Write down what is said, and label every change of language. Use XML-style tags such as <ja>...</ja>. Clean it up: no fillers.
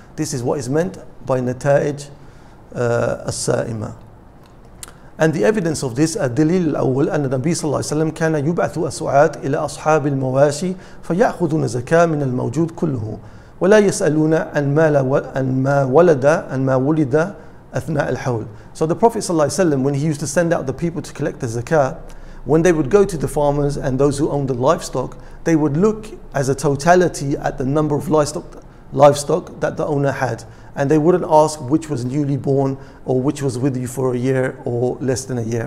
<en>This is what is meant by nata'ij as-sa'ima.</en> <ar>And the evidence of this, الدليل الأول أن النبي صلى الله عليه وسلم كان يبعث أسعات إلى أصحاب المواشي فيأخذون زكاة من الموجود كله ولا يسألون أن ما ولد أثناء الحول.</ar> <en>So the Prophet صلى الله عليه وسلم, when he used to send out the people to collect the zakah, when they would go to the farmers and those who owned the livestock, they would look as a totality at the number of livestock that the owner had. And they wouldn't ask which was newly born or which was with you for a year or less than a year.</en>